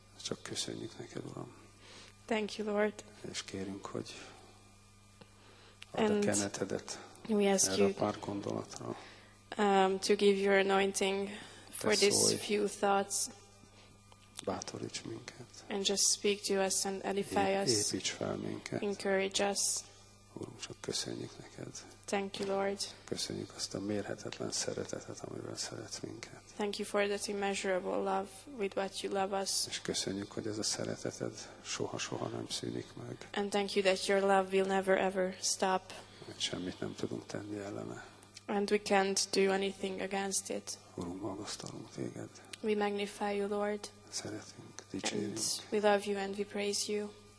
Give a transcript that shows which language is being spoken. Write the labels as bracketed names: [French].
[Hungarian] Csak köszönjük neked, Uram. [English] Thank you, Lord. [Hungarian] És kérünk, hogy add a kenetedet erre a pár gondolatra. [English] To give your anointing for this few thoughts. [Hungarian] Bátoríts minket. [English] And just speak to us and edify us. [Hungarian] Építs fel minket. [English] Encourage us. [Hungarian] Uram, csak köszönjük neked. [English] Thank you, Lord. [Hungarian] Köszönjük azt a mérhetetlen szeretetet, amivel szeretsz minket. [English] Thank you for that immeasurable love with what you love us. [Hungarian] És köszönjük, hogy ez a szereteted soha-soha nem szűnik meg. [English] And thank you that your love will never ever stop. [Hungarian] Mert semmit nem tudunk tenni ellene. [English] And we can't do anything against it. [Hungarian] Urunk, magasztalunk téged. [English] We magnify you, Lord. [Hungarian] Szeretünk, dicsérünk. [English] And we love you and we praise you.